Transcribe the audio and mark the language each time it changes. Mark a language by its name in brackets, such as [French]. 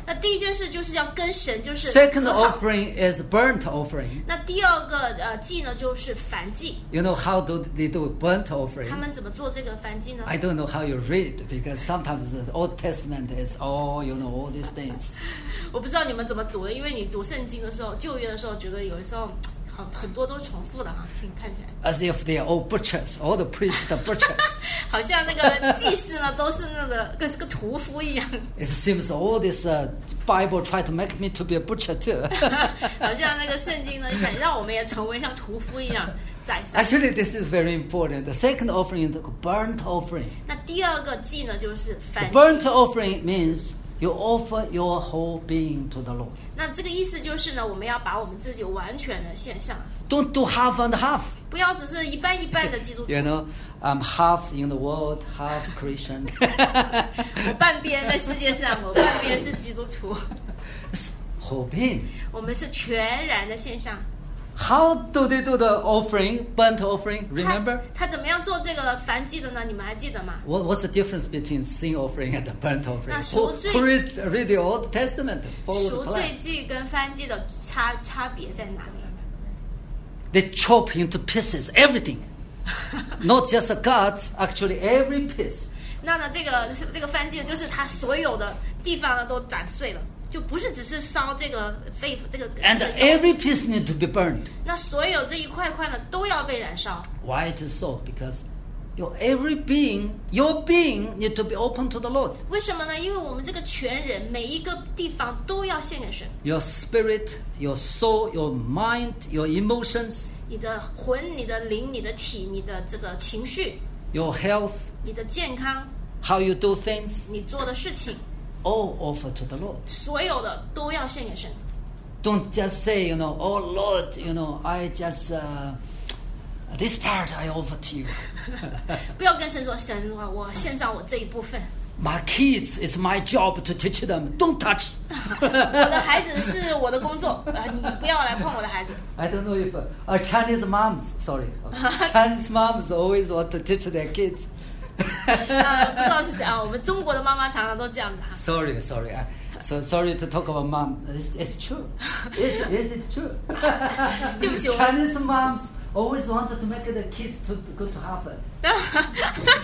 [Chinese] 那第一件事就是要跟神就是。 [English] Second offering is burnt offering. [Chinese] 那第二个祭呢就是燔祭。 [English] You know how do they do burnt offering? [Chinese] 他们怎么做这个燔祭呢 [English] ？I don't know how you read because sometimes the Old Testament is all you know all these things. [Chinese] 我不知道你们怎么读的，因为你读圣经的时候，旧约的时候，觉得有的时候很多都重复的哈，听看起来。 [English] As if they are all butchers, all the priests are butchers. [Chinese] 好像那个祭司呢，都是那个跟屠夫一样。 [English] It seems all this Bible try to make me to be a butcher too. [Chinese] 好像那个圣经呢，想让我们也成为像屠夫一样宰杀。 [English] Actually, this is very important. The second offering, the burnt offering. [Chinese] 那第二个祭呢，就是燔。 [English] The burnt offering means you offer your whole being to the Lord. [Chinese] 那这个意思就是呢，我们要把我们自己完全的献上。 [English] Don't do half and half. [Chinese] 不要只是一半一半的基督徒。 [English] You know, I'm half in the world, half Christian. [Chinese] 我半边在世界上，我半边是基督徒。合并。我们是全然的线上。 [English] How do they do the offering, burnt offering? Remember? [Chinese] 他怎么样做这个燔祭的呢？你们还记得吗？ [English] What's the difference between sin offering and the burnt offering? [Chinese] 那赎罪 [English] read the Old Testament. [Chinese] 赎罪祭跟燔祭的差别在哪里？ [English] They chop into pieces everything, not just the guts, actually every piece. [Chinese] 那呢，这个燔祭就是他所有的地方都斩碎了。就不是只是烧这个肺这个。 [English] And every piece need to be burned. [Chinese] 那所有这一块块呢都要被燃烧。 [English] Why it is so? Because your every being, your being need to be open to the Lord. [Chinese] 为什么呢？因为我们这个全人每一个地方都要献给神。 [English] Your spirit, your soul, your mind, your emotions. [Chinese] 你的魂、你的灵、你的体、你的这个情绪。 [English] Your health. [Chinese] 你的健康。 [English] How you do things. [Chinese] 你做的事情。 [English] All offer to the Lord. [Chinese] 所有的都要献给神。 [English] Don't just say, you know, oh Lord, you know, I just this part I offer to you. [Chinese] 不要跟神说，神啊，我献上我这一部分。 [English] My kids, it's my job to teach them. Don't touch. [Chinese] 我的孩子是我的工作，你不要来碰我的孩子。 [English] I don't know if Chinese moms, sorry, Chinese moms always want to teach their kids. [Chinese] 不知道是谁啊？我们中国的妈妈常常都这样的。 [English] Sorry to talk about mom. It's true. Is it true? [Chinese] 对不起。 [English] Chinese moms always wanted to make the kids to go to Harvard.